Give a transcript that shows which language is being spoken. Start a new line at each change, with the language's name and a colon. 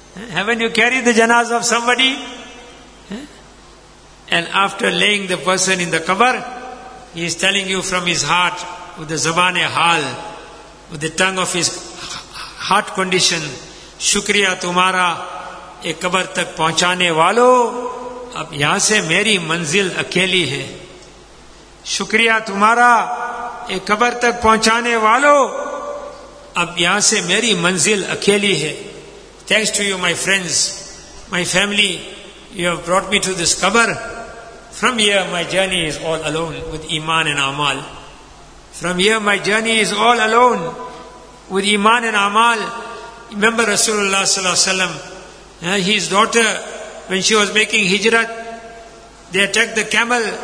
English: Haven't you carried the janaza of somebody? And after laying the person in the qabr, he is telling you from his heart, with the zabane hal, with the tongue of his heart condition,
Urdu: shukriya tumara. ایک قبر تک پہنچانے والو اب یہاں سے میری منزل اکیلی ہے شکریہ تمہارا ایک قبر تک پہنچانے والو اب یہاں سے میری منزل اکیلی ہے
English: Thanks to you my friends, my family, you have brought me to this قبر. From here my journey is all alone with iman and amal. From here my journey is all alone with iman and amal. Remember Rasulullah sallallahu alaihi wasallam, his daughter, when she was making hijrat, they attacked the camel.